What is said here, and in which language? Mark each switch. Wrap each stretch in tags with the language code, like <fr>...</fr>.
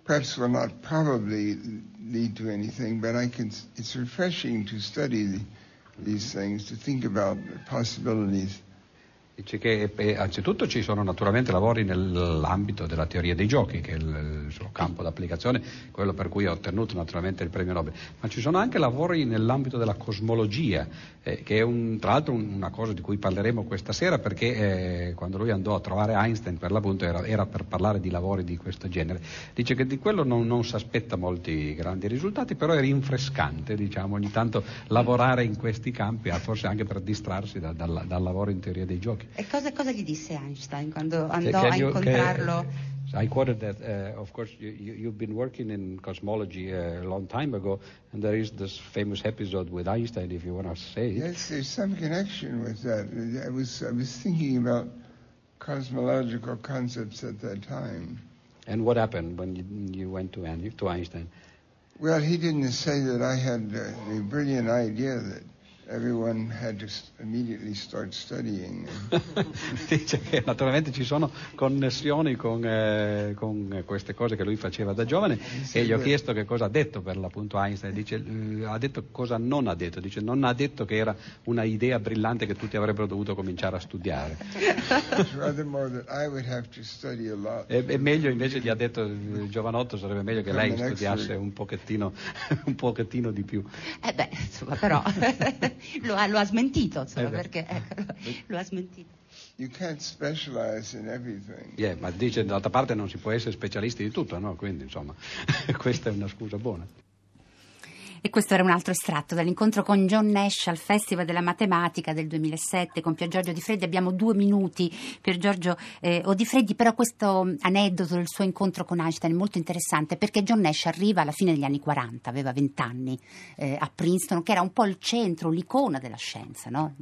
<en>It will not probably lead to anything, but it's refreshing to study these things, to think about the possibilities.</en> <it>Dice che anzitutto ci sono naturalmente lavori nell'ambito della teoria dei giochi, che è il suo campo d'applicazione, quello per cui ha ottenuto naturalmente il premio Nobel, ma ci sono anche lavori nell'ambito della cosmologia, che è tra l'altro una cosa di cui parleremo questa sera, perché quando lui andò a trovare Einstein per l'appunto era per parlare di lavori di questo genere. Dice che di quello non si aspetta molti grandi risultati, però è rinfrescante, diciamo, ogni tanto lavorare in questi campi, forse anche per distrarsi dal lavoro in teoria dei giochi. E cosa gli disse Einstein quando andò a incontrarlo?</it> <en>I quoted that, of course, you've been working in cosmology a long time ago, and there is this famous episode with Einstein, if you want to say it. Yes, there's some connection with that. I was thinking about cosmological concepts at that time. And what happened when you went to Einstein? Well, he didn't say that I had the brilliant idea that everyone had to immediately start studying.</en> <it>Dice che naturalmente ci sono connessioni con queste cose che lui faceva da giovane, e gli ho chiesto che cosa ha detto per l'appunto Einstein. Dice, ha detto cosa non ha detto. Dice, non ha detto che era una idea brillante che tutti avrebbero dovuto cominciare a studiare. È meglio invece, gli ha detto il giovanotto, sarebbe meglio che lei studiasse un pochettino di più. Insomma, però... lo ha smentito, insomma, perché lo ha smentito.</it> <en>You can't specialize in everything.</en> <it>Yeah, ma dice, d'altra parte, non si può essere specialisti di tutto, no? Quindi, insomma, questa è una scusa buona. E questo era un altro estratto dall'incontro con John Nash al Festival della Matematica del 2007 con Pier Giorgio Di Freddi. Abbiamo 2 minuti per Giorgio o Di Freddi, però questo aneddoto del suo incontro con Einstein è molto interessante, perché John Nash arriva alla fine degli anni 40, aveva 20 anni, a Princeton, che era un po' il centro, l'icona della scienza, no?</it>